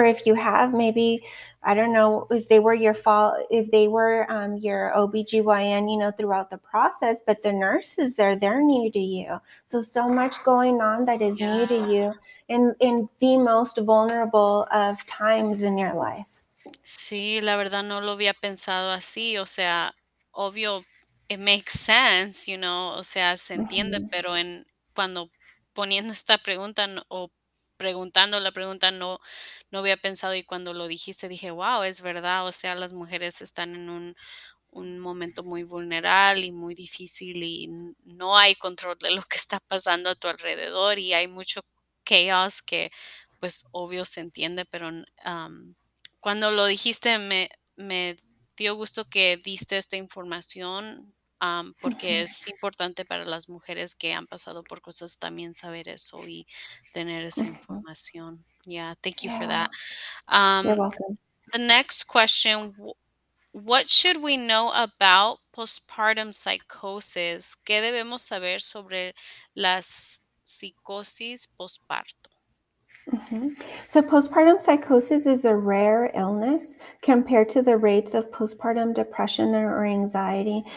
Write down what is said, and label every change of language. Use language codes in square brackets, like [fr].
[en] Or if you have, maybe, I don't know if they were your OBGYN, you know, throughout the process, but the nurses, they're new to you. So much going on that is new to you in the most vulnerable of times in your life. [es] Sí, la verdad no lo había pensado así. O sea, obvio, [en] it makes sense, you know, [es] o sea, se entiende, pero en cuando poniendo esta pregunta preguntando la pregunta, no había pensado, y cuando lo dijiste dije, wow, es verdad. O sea, las mujeres están en un momento muy vulnerable y muy difícil, y no hay control de lo que está pasando a tu alrededor, y hay mucho caos que, pues, obvio se entiende, pero cuando lo dijiste me dio gusto que diste esta información, porque es importante para las mujeres que han pasado por cosas también saber eso y tener esa información. [en] Thank you for that. You're welcome. The next question, what should we know about postpartum psychosis? [es] ¿Qué debemos saber sobre la psicosis postparto? [en] So postpartum psychosis is a rare illness compared to the rates of postpartum depression or anxiety.